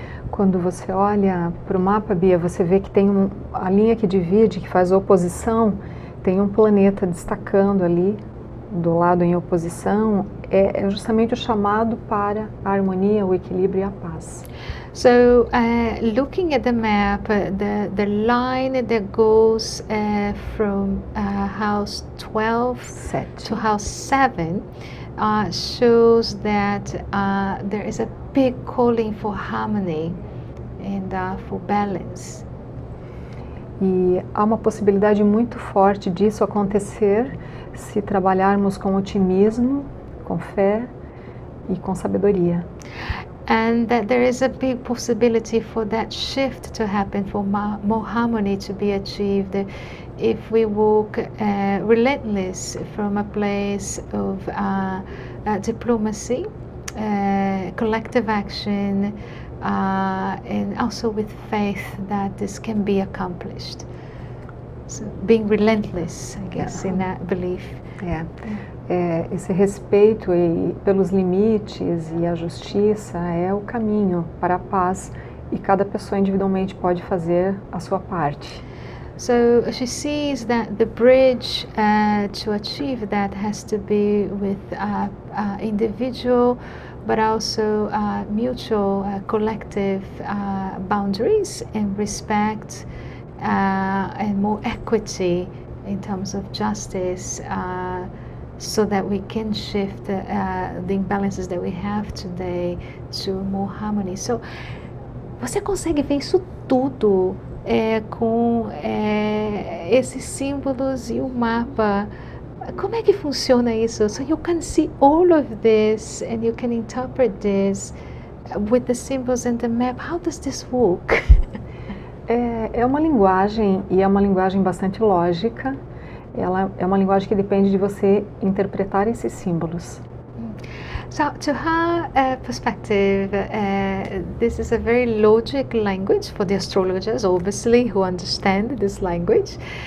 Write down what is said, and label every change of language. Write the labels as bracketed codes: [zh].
[pt] Quando você olha para o mapa, Bia, você vê que tem a linha que divide, que faz oposição, tem planeta destacando ali, do lado em oposição, é justamente o chamado para a harmonia, o equilíbrio e a paz. [en] So, looking at the map, the line that goes from house 12 to house 7, shows that there is a big calling for harmony and for balance. [pt] E há uma possibilidade muito forte disso acontecer se trabalharmos com otimismo, com fé e com sabedoria. [en] And that there is a big possibility for that shift to happen, for more harmony to be achieved, if we walk relentless from a place of diplomacy, collective action, and also with faith that this can be accomplished. So being relentless, I guess, in that belief. Yeah. [pt] Esse respeito pelos limites e a justiça é o caminho para a paz, e cada pessoa individualmente pode fazer a sua parte. [en] So she sees that the bridge to achieve that has to be with individual, but also mutual, collective boundaries and respect and more equity in terms of justice, so that we can shift the imbalances that we have today to more harmony. [pt] So, você consegue ver isso tudo com esses símbolos e o mapa? Como é que funciona isso? [en] So you can see all of this and you can interpret this with the symbols and the map. How does this work? [pt] É uma linguagem, e é uma linguagem bastante lógica. Ela é uma linguagem que depende de você interpretar esses símbolos. [en] So, to her perspective, this is a very logic language for the astrologers, obviously, who understand this language.